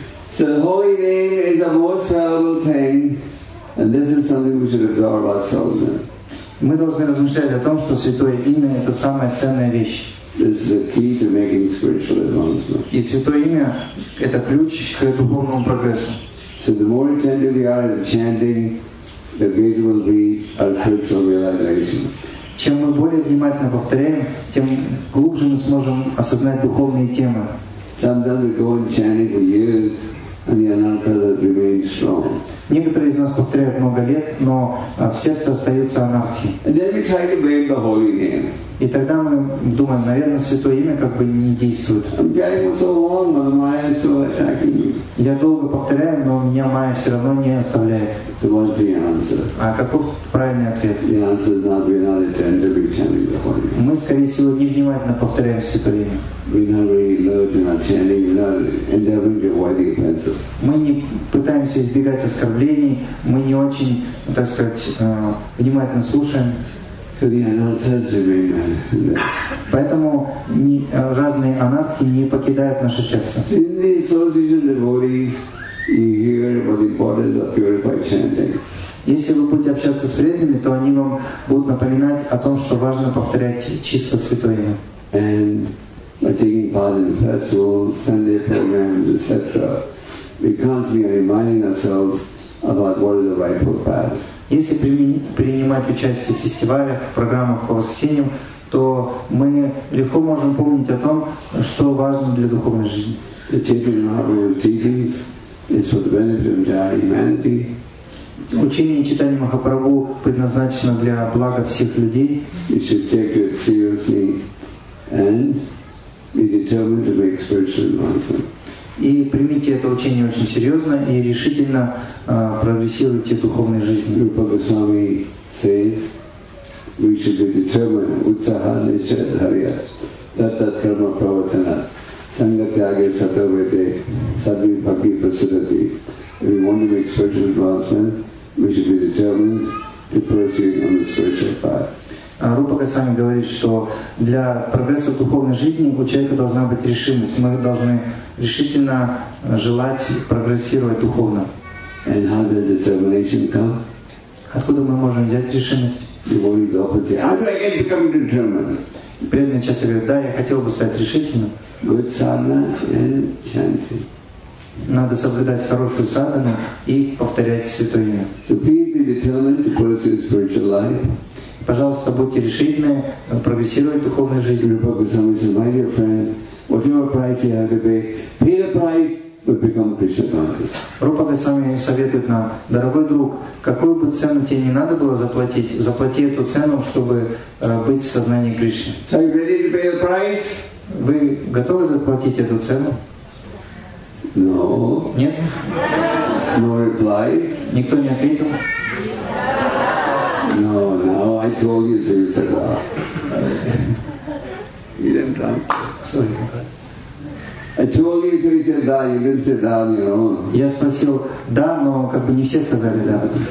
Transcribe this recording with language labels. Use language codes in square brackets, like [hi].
[en] So the holy name is the most valuable thing, and this is something we should absorb ourselves in. [ru] Мы должны размышлять о том, что святое имя — это самая ценная вещь. [en] This is the key to making spiritual advancement. [ru] И святое имя — это ключ к духовному прогрессу. [en] So the more attentive we are at chanting, the greater will be our spiritual realization. [ru] Чем мы более внимательно повторяем, тем глубже мы сможем осознать духовные темы. [en] Sometimes we go on chanting for years, and the anatta that remains strong. [ru] Некоторые из нас повторяют много лет, но в сердце остаются анатхи. [en] And then we try to blame the holy name. [ru] И тогда мы думаем, наверное, святое имя как бы не действует. [en] I'm chanting so long, but the maya is still attacking me. [ru] Я долго повторяю, но меня майя все равно не оставляет. [en] So what's the answer? [ru] А каков правильный ответ? [en] The answer is not, we're not attentive to chanting the holy name. [ru] Мы, скорее всего, не внимательно повторяем святое имя. [en] We never learn in our chanting, we never endeavor to avoid the offenses. [ru] Мы не пытаемся избегать оскорблений, мы не очень, так сказать, внимательно слушаем. [en] So the anathas remain. [ru] Поэтому разные анатхи не покидают наше сердце. [en] In the association devotees, you hear about the importance of purified chanting. [ru] Если вы будете общаться с преданными, то они вам будут напоминать о том, что важно повторять чисто святое имя. [en] And by taking part in festivals, Sunday programs, etc., we constantly are reminding ourselves about what is the rightful path. [ru] Если принимать участие в фестивалях, в программах по воскресеньям, то мы легко можем помнить о том, что важно для духовной жизни. [en] The Chaitanya Mahaprabhu's teachings is for the benefit of entire humanity. [ru] Учение Чайтаньи Махапрабху предназначено для блага всех людей. [en] You should take it seriously and be determined to make spiritual advancement. [ru] И примите это учение очень серьезно и решительно прогрессируйте в духовной жизни. [en] Rupa Goswami says, we should be determined, [sa] utsaha nishad harya, tatat karma pravatana, sangatyage satavete, sadvi bhakti prasidati. [en] If we want to make spiritual advancement, we should be determined to proceed on the spiritual path. [ru] Рупа Госвами говорит, что для прогресса в духовной жизни у человека должна быть решимость. Мы должны решительно желать прогрессировать духовно. [en] And how does determination come? [ru] Откуда мы можем взять решимость? [en] How do I get become determined? [ru] Преданный часто говорит, да, я хотел бы стать решительным. [en] Good sadhana and chanting. [ru] Надо соблюдать хорошую садхану и повторять святое имя. [en] So please be determined to pursue spiritual life. [ru] Пожалуйста, будьте решительны прогрессировать в духовной жизни. [en] Rupa Goswami says, my dear friend, whatever price you have to pay, pay the price, but become Krishna conscious. [ru] Rupa Goswami советует нам, дорогой друг, какую бы цену тебе не надо было заплатить, заплати эту цену, чтобы быть в сознании Кришны. [en] So are you ready to pay the price? [ru] Вы готовы заплатить эту цену? [en] No. [ru] Нет? [en] No reply. [ru] Никто не ответил? [en] No, I told you, so you said, well, you didn't answer. Sorry. And to all the he said, "Да, you didn't sit down on your own." [ru] Я спросил, да, но как бы не все сказали да.